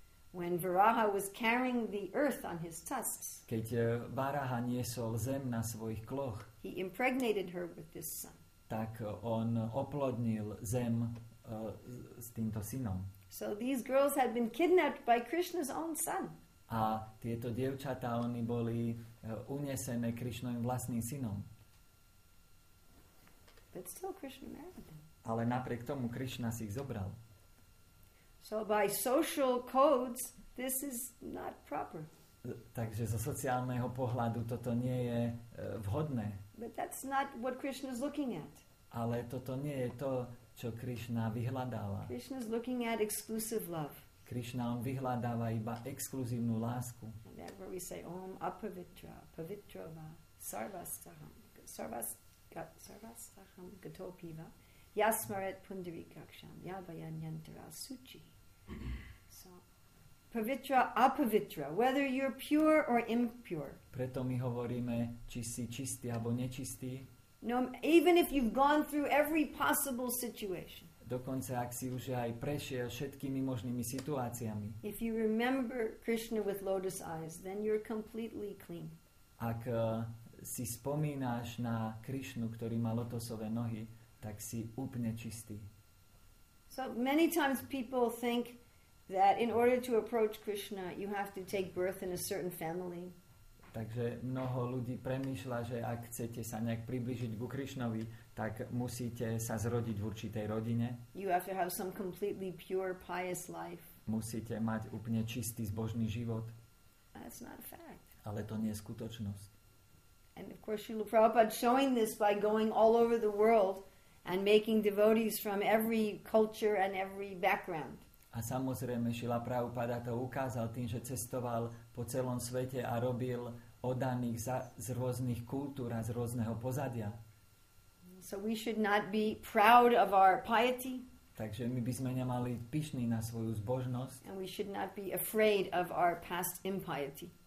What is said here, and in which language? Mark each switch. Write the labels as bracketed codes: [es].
[en] When Varaha was carrying the earth on his tusks. [sk] Keď Varaha niesol zem na svojich kloch. [en] He impregnated her with this son. [sk] Tak on oplodnil zem s týmto synom. [en] So these girls had been kidnapped by Krishna's own son. [sk] A tieto dievčatá, oni boli unesené Krishnovým vlastným synom. [en] But still Krishna married them. [sk] Ale napriek tomu Krishna si ich zobral. [en] So by social codes, this is not proper. [sk] Takže zo sociálneho pohľadu toto nie je vhodné. [en] But that's not what Krishna is looking at. [sk] Ale toto nie je to, čo Krishna vyhľadáva. [en] Krishna is looking at exclusive love. [sk] Krishna on vyhľadáva iba exkluzívnu lásku. [sa] And that where we say om apavitra, pavitrova, sarvastaham, sarvastaham gatopiva, yasmaret pundarikaksham, yavayanyantara suchi. [en] So, pavitra, apavitra, whether you're pure or impure. [sk] Preto my hovoríme, či si čistý alebo nečistý. [en] No, even if you've gone through every possible situation. [sk] Dokonca ak si už aj prešiel všetkými možnými situáciami. [en] If you remember Krishna with lotus eyes, then you're completely clean. [sk] Ak si spomínaš na Krishnu, ktorý má lotosové nohy, tak si úplne čistý. [en] So many times people think that in order to approach Krishna, you have to take birth in a certain family. [sk] Takže mnoho ľudí premýšľa, že ak chcete sa nejak približiť ku Krishnovi, tak musíte sa zrodiť v určitej rodine. [en] You have to have some completely pure, pious life. [sk] Musíte mať úplne čistý, zbožný život. [en] That's not a fact. [sk] Ale to nie je skutočnosť. [en] And of course, Srila Prabhupada showing this by going all over the world and making devotees from every culture and every background. [sk] A samozrejme, Srila Prabhupada to ukázal tým, že cestoval po celom svete a robil oddaných z rôznych kultúr a z rôzneho pozadia. [en] So we should not be proud of our piety. [sk] Takže my by sme nemali byť pyšní na svoju zbožnosť. [en] And we should not be afraid of our past impiety.